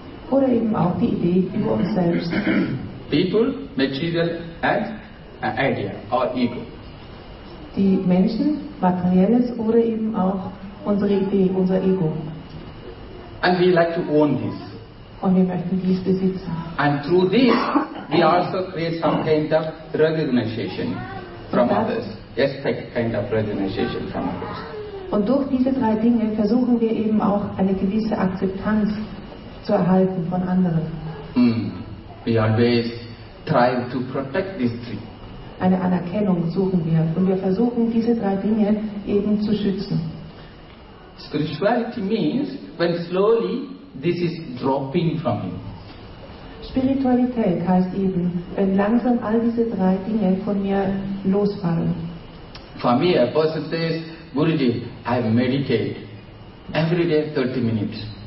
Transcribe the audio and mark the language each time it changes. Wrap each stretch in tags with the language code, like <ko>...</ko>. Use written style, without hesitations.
<de>Oder eben auch die Idee über uns selbst.</de> <en>People, material and idea or ego.</en> <de>Die Menschen, materielles oder eben auch unsere Idee, unser Ego.</de> <en>And we like to own this.</en> <de>Und wir möchten dies besitzen.</de> <en>And through this, we also create some kind of recognition from others. Expect kind of recognition from others.</en> <de>Und durch diese drei Dinge versuchen wir eben auch eine gewisse Akzeptanz zu erhalten von anderen.</de> <en>We always try to protect these three.</en> <de>Eine Anerkennung suchen wir und wir versuchen diese drei Dinge eben zu schützen.</de> <en>Spirituality means when slowly this is dropping from you.</en> <de>Spiritualität heißt eben, wenn langsam all diese drei Dinge von mir losfallen.</de> <en>For me, a person says, Guruji, I meditate every day 30 minutes.</en>